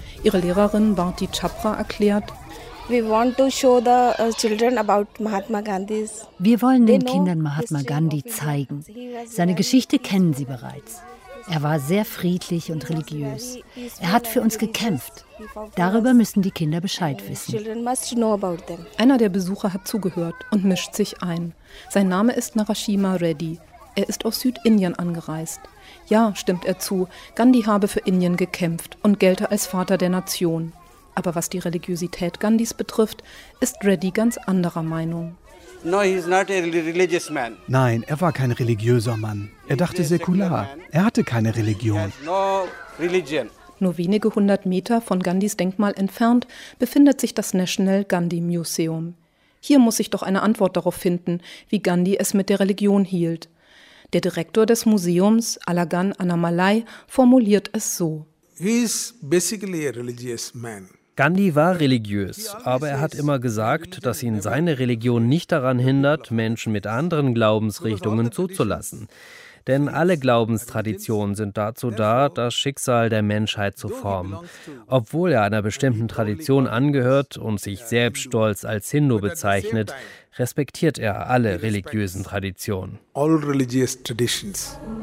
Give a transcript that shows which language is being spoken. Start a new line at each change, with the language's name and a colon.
German: Ihre Lehrerin Bharti Chhapra erklärt:
English: We want to show the children about Mahatma Gandhi's.
German: Wir wollen den Kindern Mahatma Gandhi zeigen. Seine Geschichte kennen sie bereits. Er war sehr friedlich und religiös. Er hat für uns gekämpft. Darüber müssen die Kinder Bescheid wissen. Einer der Besucher hat zugehört und mischt sich ein. Sein Name ist Narashima Reddy. Er ist aus Südindien angereist. Ja, stimmt er zu, Gandhi habe für Indien gekämpft und gelte als Vater der Nation. Aber was die Religiosität Gandhis betrifft, ist Reddy ganz anderer Meinung.
English: No, he's not a religious man.
German: Nein, er war kein religiöser Mann. Er dachte säkular. Er hatte keine Religion.
English: No religion.
German: Nur wenige hundert Meter von Gandhis Denkmal entfernt befindet sich das National Gandhi Museum. Hier muss sich doch eine Antwort darauf finden, wie Gandhi es mit der Religion hielt. Der Direktor des Museums, Alagan Annamalai, formuliert es so.
English: He is basically a religious man.
German: Gandhi war religiös, aber er hat immer gesagt, dass ihn seine Religion nicht daran hindert, Menschen mit anderen Glaubensrichtungen zuzulassen. Denn alle Glaubenstraditionen sind dazu da, das Schicksal der Menschheit zu formen. Obwohl er einer bestimmten Tradition angehört und sich selbst stolz als Hindu bezeichnet, respektiert er alle religiösen Traditionen.
English: All religious traditions.